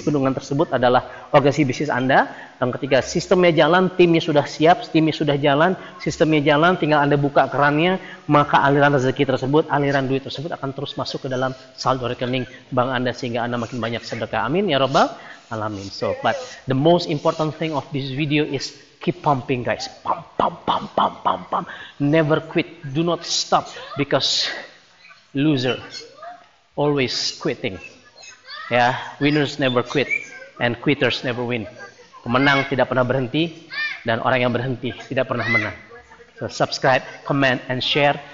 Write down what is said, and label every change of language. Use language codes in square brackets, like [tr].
[id] Bendungan tersebut adalah organisasi bisnis Anda. Dan ketika sistemnya jalan, timnya sudah siap, timnya sudah jalan, sistemnya jalan, tinggal Anda buka kerannya, maka aliran rezeki tersebut, aliran duit tersebut akan terus masuk ke dalam saldo rekening bank Anda sehingga Anda makin banyak sedekah. Amin ya Rabbal Alamin. [en] So, but the most important thing of this video is keep pumping guys, pump, pump, pump, pump, pump, pump. Never quit, do not stop, because loser always quitting. Yeah, winners never quit, and quitters never win. [id] Pemenang tidak pernah berhenti, dan orang yang berhenti tidak pernah menang. [en] So, subscribe, comment, and share.